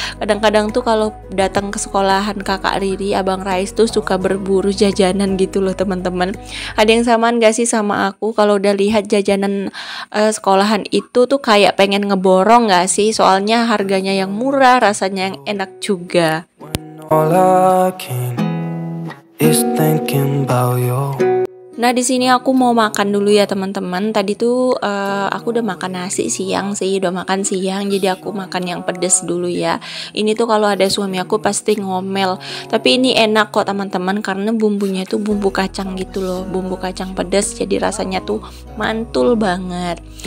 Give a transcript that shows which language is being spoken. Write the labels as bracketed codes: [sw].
[id] Kadang-kadang tuh kalau datang ke sekolahan kakak Riri, abang Rais tuh suka berburu jajanan gitu loh, teman-teman. Ada yang samaan gak sih sama aku? Kalau udah lihat jajanan sekolahan itu tuh kayak pengen ngeborong gak sih? Soalnya harganya yang murah, rasanya yang enak juga. [en] All I can is thinking about you. [id] Nah, di sini aku mau makan dulu ya, teman-teman. Tadi tuh aku udah makan nasi siang sih, udah makan siang, jadi aku makan yang pedes dulu ya. Ini tuh kalau ada suami aku pasti ngomel. Tapi ini enak kok, teman-teman, karena bumbunya tuh bumbu kacang gitu loh, bumbu kacang pedes, jadi rasanya tuh mantul banget.